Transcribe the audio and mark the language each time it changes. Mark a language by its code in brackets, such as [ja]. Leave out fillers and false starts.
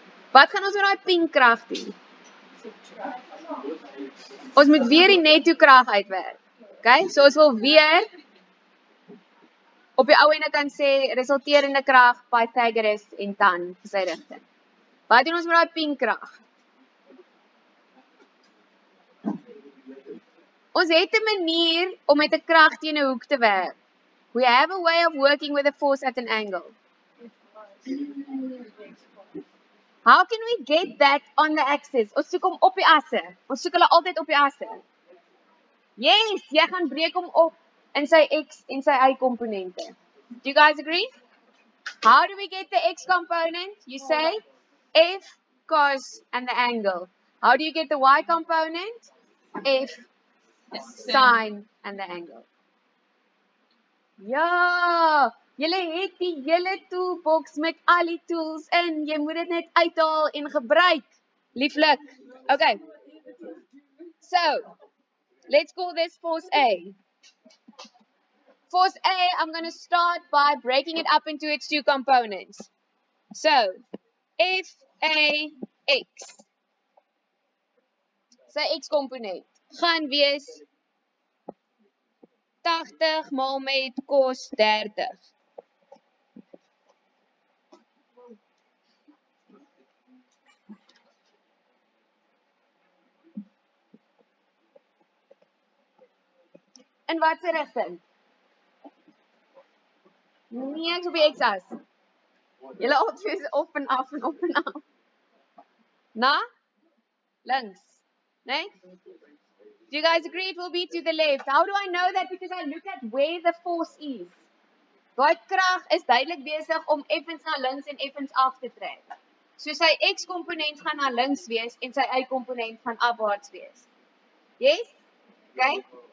[af] Wat gaan ons met daai pink krag doen? Ons moet weer die netto krag uitwerk. Okay? So ons wil weer op die ou ene kan sê resulterende krag Pythagoras en tan vir sy rigting. Wat doen ons met daai pink krag? Ons het 'n manier om met 'n krag teen 'n hoek te werk. [en] We have a way of working with a force at an angle. How can we get that on the axis? [af] Ons soek hom op die asse. Ons soek hulle altyd op die asse. Yes, jy gaan breek hom op in sy x en sy y komponente. [en] Do you guys agree? How do we get the x component? You say f, cos, and the angle. How do you get the y component? F, sine, and the angle. [af] Ja, jylle het die jylle toolbox met al die tools in. Jy moet dit net uithaal en gebruik. [en] Lieflik. Okay. So, let's call this force A. Force A, I'm going to start by breaking it up into its two components. So, F, A, X. So, X component. [af] Gaan wees 80 maal met kos 30. In watse rigting? Nee, ek is op die x-as. Julle altyd is op en af en op en af. Na? Links. Nee? [en] Do you guys agree it will be to the left? How do I know that? Because I look at where the force is. [af] Daai krag is duidelik besig om effens na links en effens af te trek. So sy x-komponent gaan na links wees en sy y-komponent gaan afwaarts wees. [en] Yes? Okay?